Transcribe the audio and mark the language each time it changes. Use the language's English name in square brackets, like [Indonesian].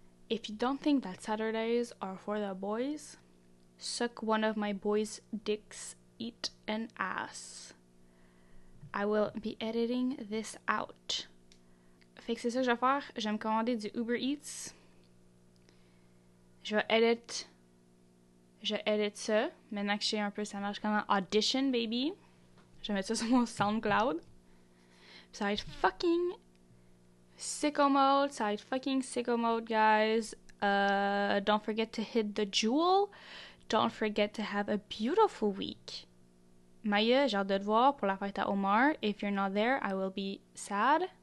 [English] If you don't think that Saturdays are for the boys, suck one of my boys' dicks, eat an ass. I will be editing this out. [French] Fait que c'est ça que je vais faire. Je vais me commander du Uber Eats. Je vais edit ça. Maintenant que j'ai un personnage comme Audition, baby. Je vais mettre ça sur mon SoundCloud. Puis ça va être [English] fucking sicko mode. [French] Ça va être [English] fucking sicko mode, guys. Don't forget to hit the jewel. Don't forget to have a beautiful week. [French] Maya, j'ai hâte de te voir pour la fête à Omar. [English] If you're not there, I will be sad.